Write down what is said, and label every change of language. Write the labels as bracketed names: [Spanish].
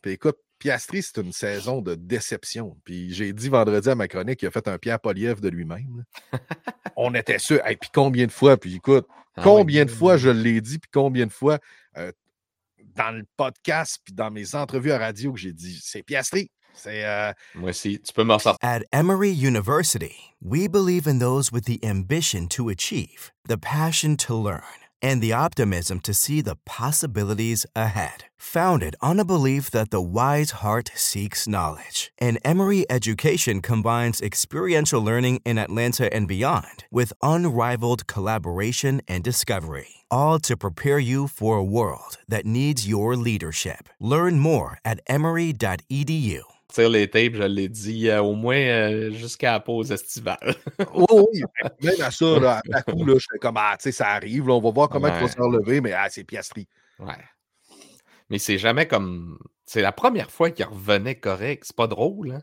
[French] Puis écoute, Piastri, c'est une saison de déception. Puis j'ai dit vendredi à ma chronique, il a fait un Pierre Poilievre de lui-même. On était sûr. Hey, puis combien de fois, puis écoute, combien de fois je l'ai dit, puis combien de fois dans le podcast, puis dans mes entrevues à radio que j'ai dit, c'est Piastri. Moi aussi, tu peux m'en sortir. [English] At Emory University, we believe in those with the ambition to achieve, the passion to learn, and the optimism to see the possibilities ahead. Founded on a belief that the wise heart seeks knowledge, an Emory education combines experiential learning in Atlanta and beyond with unrivaled collaboration and discovery, all to prepare you for a world that needs your leadership. Learn more at emory.edu. [French] Tire les tapes, je l'ai dit, au moins jusqu'à la pause estivale. Oh oui, même à ça, là, à coup, là, je fais comme, ça arrive, là, on va voir comment il va s'enlever, mais c'est Piastri. Ouais. Mais c'est jamais comme... C'est la première fois qu'il revenait correct, c'est pas drôle.